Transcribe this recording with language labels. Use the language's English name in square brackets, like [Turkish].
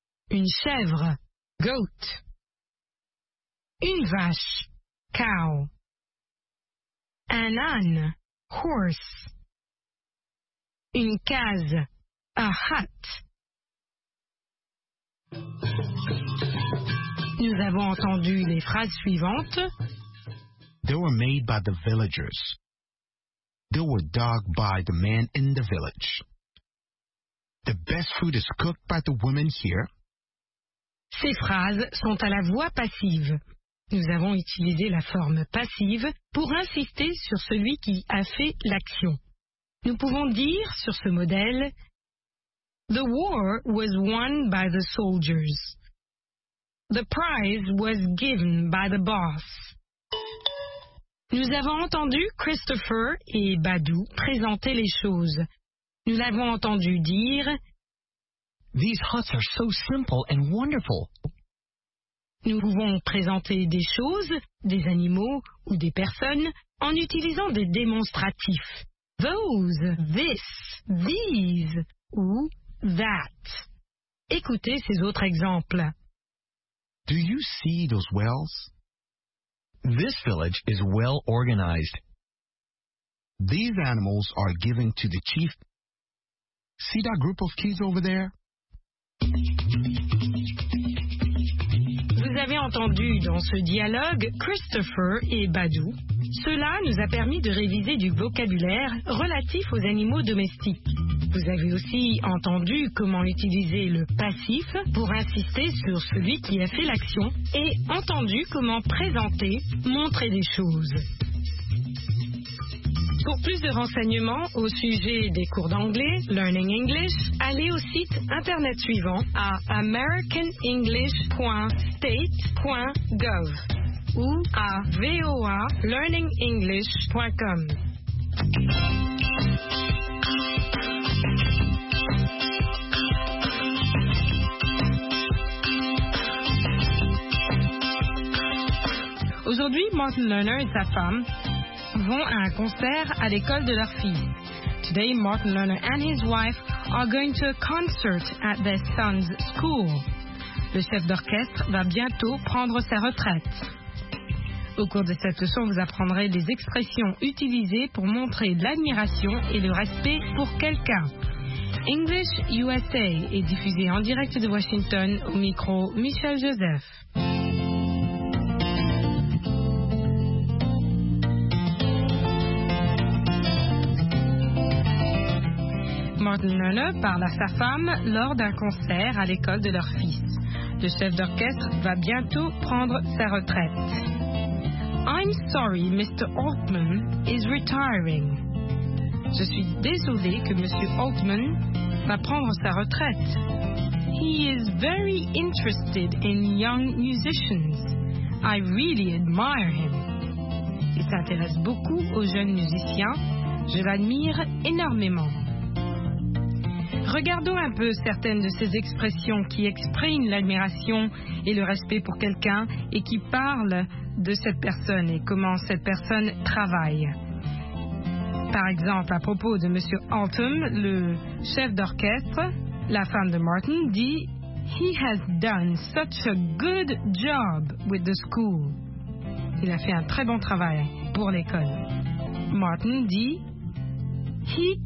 [French] Une chèvre, goat. Une vache, cow. Un âne, horse. Une case, [English] a hut. [French] Nous avons entendu les phrases suivantes. [English] They were made by the villagers. They were dug by the man in the village. The best food is cooked by the women here. [French] Ces phrases sont à la voix passive. Nous avons utilisé la forme passive pour insister sur celui qui a fait l'action. Nous pouvons dire sur ce modèle, [English] The war was won by the soldiers. The prize was given by the boss. [French] Nous avons entendu Christopher et Badou présenter les choses. Nous l'avons entendu dire [English] These huts are so simple and wonderful. [French] Nous pouvons présenter des choses, des animaux ou des personnes en utilisant des démonstratifs. [English] Those, this, these ou that. [French] Écoutez ces autres exemples. [English] Do you see those wells? This village is well organized. These animals are given to the chief. See that group of kids over there? [French] Vous avez entendu dans ce dialogue Christopher et Badou. Cela nous a permis de réviser du vocabulaire relatif aux animaux domestiques. Vous avez aussi entendu comment utiliser le passif pour insister sur celui qui a fait l'action et entendu comment présenter, montrer des choses. Pour plus de renseignements au sujet des cours d'anglais, Learning English, allez au site internet suivant à americanenglish.state.gov ou à voalearningenglish.com. Aujourd'hui, Martin Lerner et sa femme vont à un concert à l'école de leur fille. [English] Today, Martin Lerner and his wife are going to a concert at their son's school. [French] Le chef d'orchestre va bientôt prendre sa retraite. Au cours de cette leçon, vous apprendrez les expressions utilisées pour montrer l'admiration et le respect pour quelqu'un. English USA est diffusé en direct de Washington au micro Michel Joseph. Martin Lerner parle à sa femme lors d'un concert à l'école de leur fils. Le chef d'orchestre va bientôt prendre sa retraite. [English] I'm sorry, Mr. Altman is retiring. [French] Je suis désolé que Monsieur Altman va prendre sa retraite. [English] He is very interested in young musicians. I really admire him. [French] Il s'intéresse beaucoup aux jeunes musiciens. Je l'admire énormément. Regardons un peu certaines de ces expressions qui expriment l'admiration et le respect pour quelqu'un et qui parlent de cette personne et comment cette personne travaille. Par exemple, à propos de M. Altman, le chef d'orchestre, la femme de Martin, dit « [English] He has done such a good job with the school. [French] » Il a fait un très bon travail pour l'école. Martin dit [English] « He takes young people » who aren't very interested